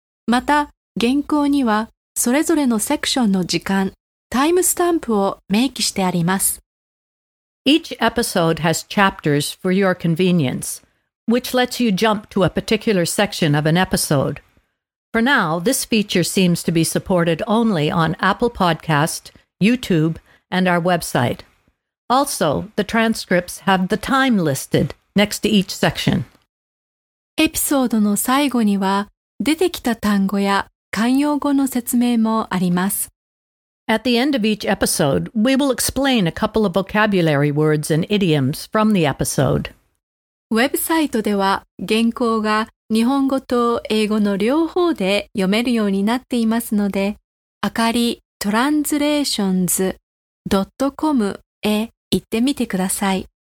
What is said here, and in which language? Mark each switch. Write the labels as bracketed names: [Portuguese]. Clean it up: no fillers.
[Japanese] また、原稿にはそれぞれのセクションの時間、タイムスタンプを明記してあります。 [English] Each episode has chapters for your convenience, which lets you jump to a particular section of an episode. For now, this feature seems to be supported only on Apple Podcast, YouTube, and our website. Also, the transcripts have the time listed next to each section. [Japanese] エピソードの最後には出てきた単語や慣用語の説明もあります。 [English] At the end of each episode, we will explain a couple of vocabulary words and idioms from the episode. [Japanese] ウェブサイトでは原稿が日本語と英語の両方で読めるようになっていますので、あかり translations.comへ行ってみてください。